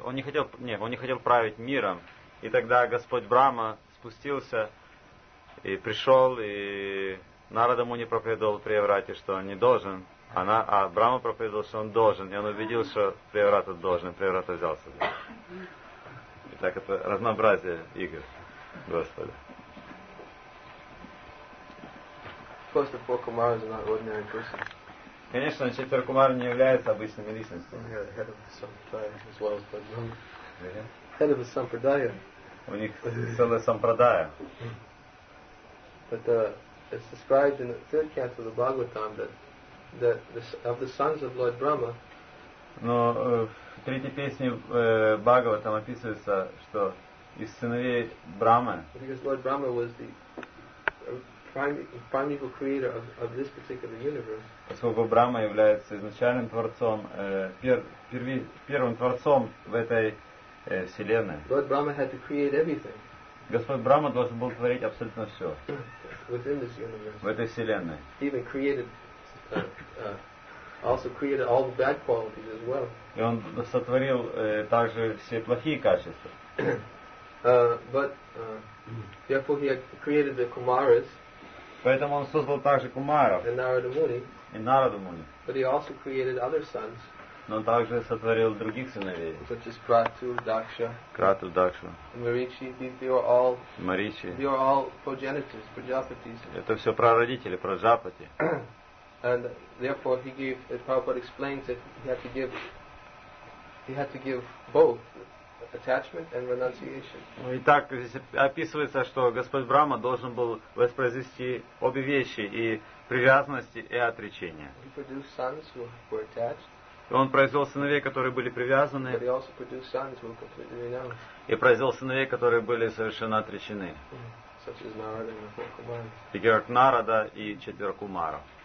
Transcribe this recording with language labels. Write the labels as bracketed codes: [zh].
[ru] Он не хотел править миром. И тогда Господь Брахма спустился и пришел, и Нарада Муни проповедовал Приеврате, что он не должен. А Брахма проповедовал, что он должен. И он убедил, что Приеврата должен. Приеврата взялся. И так это разнообразие игр Господа. [en] Of course, the four Kumaras are not ordinary persons. [ru] Конечно, Четверкумар не является обычными личностями. [en] Head of the Sampradaya. [ru] У них целая сампрадая. [en] But it's described in the third canto of the Bhagavatam that of the sons of Lord Brahma. [ru] Но в третьей песне Бхагаватам описывается, что из сыновей Брахмы. [en] Because Lord Brahma was the primeval creator of this particular universe. [ru] Поскольку Брахма является изначальным творцом, первым творцом в этой вселенной. [en] Lord Brahma had to create everything. [ru] Господь Брахма должен был творить абсолютно все [en] within this universe. [ru] В этой вселенной. [en] He even created also created all the bad qualities as well. [ru] И он сотворил также все плохие качества. [en] Therefore he had created the Kumaras. [ru] Поэтому он создал также Кумаров. [en] And Narada Muni. [ru] И Нараду Муни. [en] But he also created other sons. [ru] Но он также сотворил других сыновей. [en] Such as Крату, Дакша. [ru] Крату, Дакша. [en] Маричи. These are all progenitors, Prajapatis. [ru] Это все прародители, Праджапати. [en] And therefore he gave, as Prabhupada explains it, he had to give both attachment and renunciation. [ru] Итак, здесь описывается, что Господь Брахма должен был воспроизвести обе вещи, и привязанности, и отречения. [en] He produced sons who were attached. [ru] Он произвел сыновей, которые были привязаны. [en] But he also produced sons who were completely renounced. [ru] И произвел сыновей, которые были совершенно отречены. [en] Such as Narada and Kumara. [ru] Такие как Нарада и Четверкумара.